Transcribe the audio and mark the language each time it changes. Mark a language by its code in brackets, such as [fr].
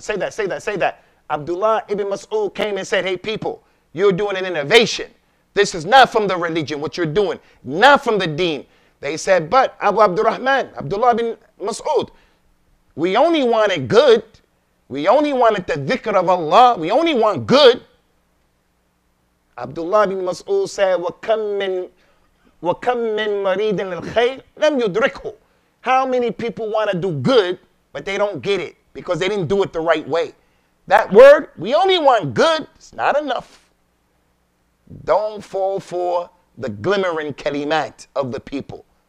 [en] Say that. Abdullah ibn Mas'ud came and said, hey people, you're doing an innovation. This is not from the religion, what you're doing. Not from the deen. They said, but Abu Abdurrahman, Abdullah ibn Mas'ud, we only want it good. We only wanted the dhikr of Allah. We only want good. Abdullah ibn Mas'ud said, [ar] وَكَمْ مِنْ مَرِيدٍ لِلْخَيْرِ لَمْ يُدْرِكُهُ. [en] How many people want to do good, but they don't get it because they didn't do it the right way? That word, we only want good, it's not enough. Don't fall for the glimmering kalimat of the people.